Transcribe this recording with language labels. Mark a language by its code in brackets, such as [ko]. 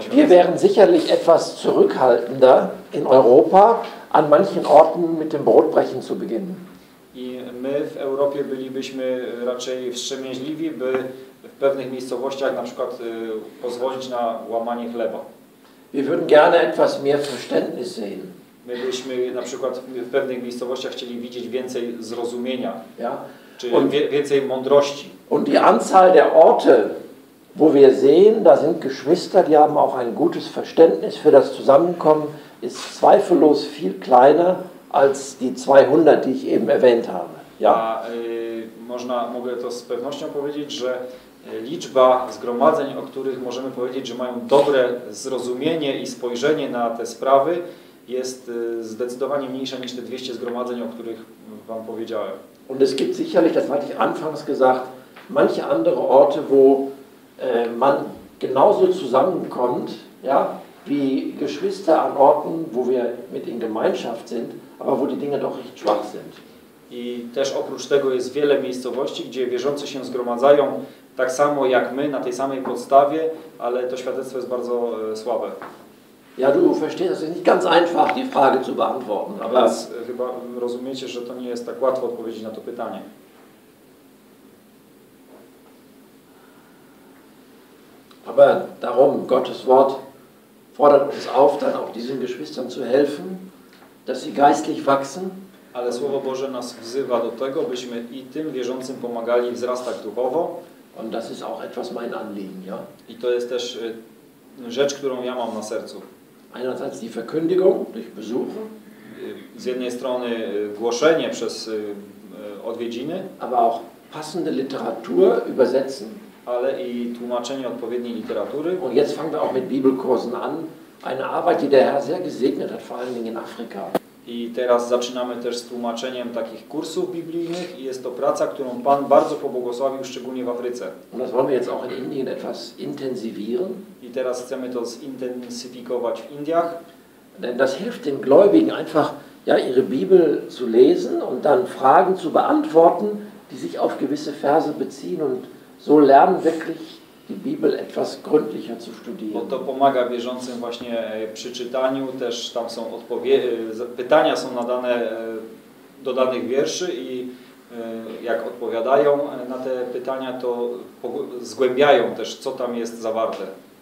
[de] Wir wären sicherlich etwas zurückhaltender in Europa, an manchen Orten mit dem Brotbrechen zu beginnen. [pl] I my w Europie bylibyśmy raczej wstrzemięźliwi, by w pewnych miejscowościach na przykład pozwolić na łamanie chleba. [de] Wir würden gerne etwas mehr Verständnis sehen. [pl] My byśmy na przykład w pewnych miejscowościach chcieli widzieć więcej zrozumienia, [de] ja? [pl] Czy więcej mądrości. [de] Und die Anzahl der Orte, wo wir sehen, da sind Geschwister, die haben auch ein gutes Verständnis für das Zusammenkommen, ist zweifellos viel kleiner als die 200, die ich eben erwähnt habe. [pl] Ja, mogę to z pewnością powiedzieć, że liczba zgromadzeń, o których możemy powiedzieć, że mają dobre zrozumienie i spojrzenie na te sprawy, jest zdecydowanie mniejsza niż te 200 zgromadzeń, o których wam powiedziałem. [de] Und es gibt sicherlich, das hatte ich anfangs gesagt, manche andere Orte, wo man genauso zusammenkommt, ja, wie Geschwister an Orten, wo wir mit in Gemeinschaft sind, aber wo die Dinge doch recht schwach sind. [pl] I też oprócz tego jest wiele miejscowości, gdzie wierzący się zgromadzają tak samo jak my, na tej samej podstawie, ale to świadectwo jest bardzo słabe. [de] Ja, du verstehst, es ist nicht ganz einfach, die Frage zu beantworten. [pl] Aber więc chyba rozumiecie, że to nie jest tak łatwo odpowiedzieć na to pytanie. [de] Aber darum, Gottes Wort fordert uns auf, dann auch diesen Geschwistern zu helfen, dass sie geistlich wachsen. [pl] Ale Słowo Boże nas wzywa do tego, byśmy i tym wierzącym pomagali wzrastać duchowo. [de] Und das ist auch etwas mein Anliegen, ja. [pl] I to jest też rzecz, którą ja mam na sercu. [de] Einerseits die Verkündigung durch Besuche. [pl] Z jednej strony głoszenie przez odwiedziny. [de] Aber auch passende Literatur übersetzen. [pl] Ale i tłumaczenie odpowiedniej literatury. [de] Und jetzt fangen wir auch mit Bibelkursen an. Eine Arbeit, die der Herr sehr gesegnet hat, vor allen Dingen in Afrika. [pl] I teraz zaczynamy też z tłumaczeniem takich kursów biblijnych. I jest to praca, którą Pan bardzo pobłogosławił, szczególnie w Afryce. [de] Und das wollen wir jetzt auch in Indien etwas intensivieren. [pl] I teraz chcemy to zintensyfikować w Indiach. [de] Denn das hilft den Gläubigen einfach, ja, ihre Bibel zu lesen und dann Fragen zu beantworten, die sich auf gewisse Verse beziehen und so lernen wirklich die Bibel etwas gründlicher zu studieren. [pl] Bo to pomaga wierzącym właśnie przy czytaniu, też tam są pytania są nadane do danych wierszy i jak odpowiadają na te pytania, to zgłębiają też, co tam jest zawarte.